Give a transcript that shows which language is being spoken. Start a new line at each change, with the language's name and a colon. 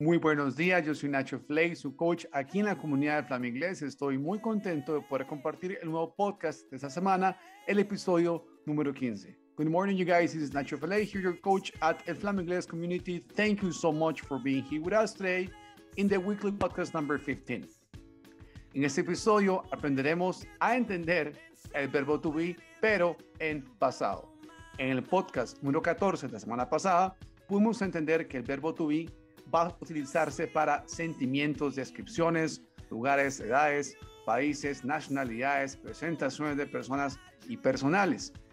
Spanish: Muy buenos días, yo soy Nacho Flay, su coach aquí en la comunidad de Flama Inglés. Estoy muy contento de poder compartir el nuevo podcast de esta semana, el episodio número 15.
English: Good morning, you guys. This is Nacho Flay, here your coach at El Flama Inglés Community. Thank you so much for being here with us today in the weekly podcast number 15.
Spanish: En este episodio aprenderemos a entender el verbo to be, pero en pasado. En el podcast número 14 de la semana pasada, pudimos entender que el verbo to be va a utilizarse para sentimientos, descripciones, lugares, edades, países, nacionalidades, presentaciones de personas y personales.